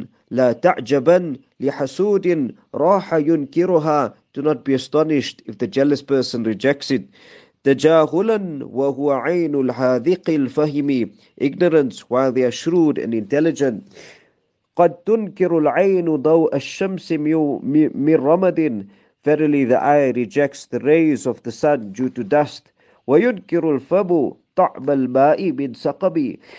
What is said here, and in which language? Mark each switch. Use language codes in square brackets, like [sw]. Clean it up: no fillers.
[ar] لا تعجبن لحسود راح ينكرها. [en] Do not be astonished if the jealous person rejects it. [ar] تجاهلا وهو عين الحاذق الفهم. [en] Ignorance while they are shrewd and intelligent. [ar] قد تنكر العين ضوء الشمس من رمد. [en] Verily the eye rejects the rays of the sun due to dust. [ar] وينكر الفم طعم الماء من سقم.